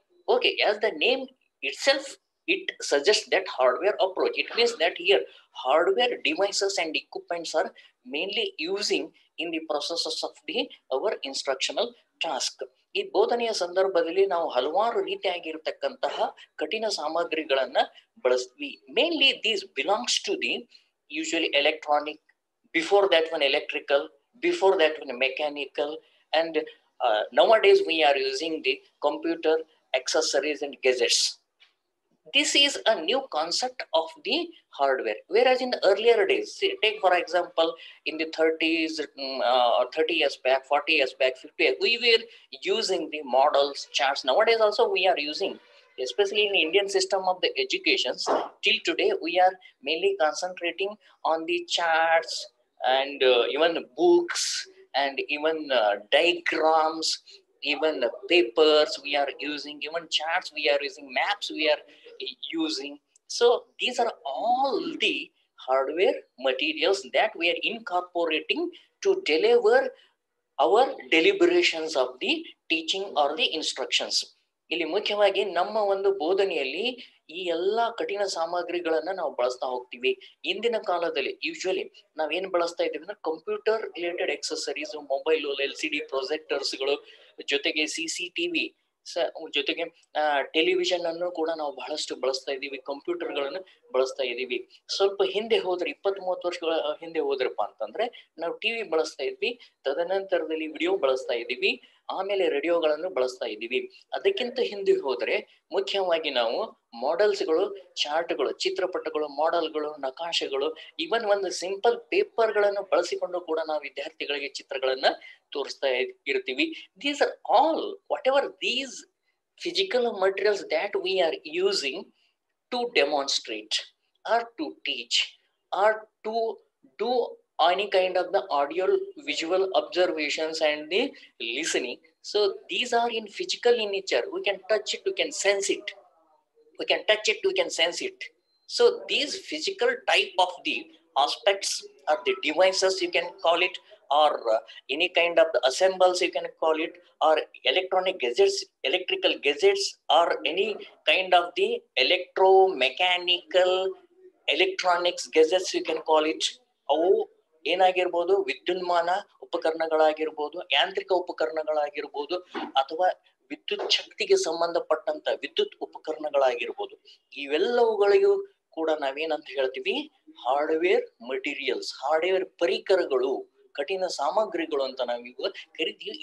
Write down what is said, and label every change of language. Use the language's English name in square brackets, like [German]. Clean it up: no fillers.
[English] Okay, as the name itself, it suggests that hardware approach. It means that here hardware devices and equipments are mainly using in the processes of the our instructional task. [Kannada] ಈ ಬೋಧನೆಯ ಸಂದರ್ಭದಲ್ಲಿ ನಾವು ಹಲವಾರು ರೀತಿಯಾಗಿರ್ತಕ್ಕಂತಹ ಕಠಿಣ ಸಾಮಗ್ರಿಗಳನ್ನ ಬಳಸ್ತೀವಿ. [English] Mainly these belongs to the usually electronic, before that one electrical, before that one mechanical, and nowadays we are using the computer accessories and gadgets. This is a new concept of the hardware, whereas in the earlier days, see, take for example in the 30s or 30 years back, 40 years back, 50 years, we were using the models, charts. Nowadays also we are using, especially in the Indian system of the education, till today we are mainly concentrating on the charts and even books and even diagrams, even papers we are using, even charts we are using, maps we are using. So these are all the hardware materials that we are incorporating to deliver our deliberations of the teaching or the instructions. [Kannada] ಇಲ್ಲಿ ಮುಖ್ಯವಾಗಿ ನಮ್ಮ ಒಂದು ಬೋಧನೆಯಲ್ಲಿ ಈ ಎಲ್ಲಾ ಕಠಿಣ ಸಾಮಗ್ರಿಗಳನ್ನ ನಾವು ಬಳಸ್ತಾ ಹೋಗ್ತೀವಿ. ಇಂದಿನ ಕಾಲದಲ್ಲಿ ಯೂಶುವಲಿ ನಾವೇನ್ ಬಳಸ್ತಾ ಇದ್ದೀವಿ ಅಂದ್ರೆ computer related accessories, mobile, L C D ಪ್ರೊಜೆಕ್ಟರ್ಸ್ಗಳು, ಜೊತೆಗೆ ಸಿಸಿ ಟಿವಿ, ಜೊತೆಗೆ ಟೆಲಿವಿಷನ್ ಅನ್ನು ಕೂಡ ನಾವು ಬಹಳಷ್ಟು ಬಳಸ್ತಾ ಇದ್ದೀವಿ, ಕಂಪ್ಯೂಟರ್ಗಳನ್ನು ಬಳಸ್ತಾ ಇದ್ದೀವಿ. ಸ್ವಲ್ಪ ಹಿಂದೆ ಹೋದ್ರೆ 20-30 ವರ್ಷಗಳ ಹಿಂದೆ ಹೋದ್ರಪ್ಪ ಅಂತಂದ್ರೆ ನಾವು ಟಿವಿ ಬಳಸ್ತಾ ಇದ್ವಿ, ತದನಂತರದಲ್ಲಿ ವಿಡಿಯೋ ಬಳಸ್ತಾ ಇದ್ದೀವಿ, ಆಮೇಲೆ ರೇಡಿಯೋಗಳನ್ನು ಬಳಸ್ತಾ ಇದ್ದೀವಿ. ಅದಕ್ಕಿಂತ ಹಿಂದೆ ಹೋದ್ರೆ ಮುಖ್ಯವಾಗಿ ನಾವು ಮಾಡೆಲ್ಸ್ಗಳು, ಚಾರ್ಟ್ಗಳು, ಚಿತ್ರಪಟಗಳು, ಮಾಡೆಲ್ಗಳು, ನಕಾಶೆಗಳು, ಈವನ್ ಒಂದು ಸಿಂಪಲ್ ಪೇಪರ್ಗಳನ್ನು ಬಳಸಿಕೊಂಡು ಕೂಡ ನಾವು ವಿದ್ಯಾರ್ಥಿಗಳಿಗೆ ಚಿತ್ರಗಳನ್ನು ತೋರಿಸ್ತಾ ಇರ್ತೀವಿ. [English] These are all whatever these physical materials that we are using to demonstrate or to teach or to do any kind of the audio visual observations and the listening. So these are in physical in nature. We can touch it, we can sense it, we can touch it, we can sense it. So these physical type of the aspects are the devices, you can call it, or any kind of the assembles, you can call it, or electronic gadgets, electrical gadgets, or any kind of the electromechanical electronics gadgets, you can call it. [Kannada] ಅವು ಏನಾಗಿರ್ಬೋದು, ವಿದ್ಯುನ್ಮಾನ ಉಪಕರಣಗಳಾಗಿರ್ಬೋದು, ಯಾಂತ್ರಿಕ ಉಪಕರಣಗಳಾಗಿರ್ಬೋದು, ಅಥವಾ ವಿದ್ಯುತ್ ಶಕ್ತಿಗೆ ಸಂಬಂಧಪಟ್ಟಂತ ವಿದ್ಯುತ್ ಉಪಕರಣಗಳಾಗಿರ್ಬೋದು, ಇವೆಲ್ಲವುಗಳಿಗೂ ಕೂಡ ನಾವೇನಂತ ಹೇಳ್ತೀವಿ, ಹಾರ್ಡ್ವೇರ್ ಮಟೀರಿಯಲ್ಸ್, ಹಾರ್ಡ್ವೇರ್ ಪರಿಕರಗಳು, ಕಠಿಣ ಸಾಮಗ್ರಿಗಳು ಅಂತ ನಾವೀಗ ಕರಿತೀವಿ.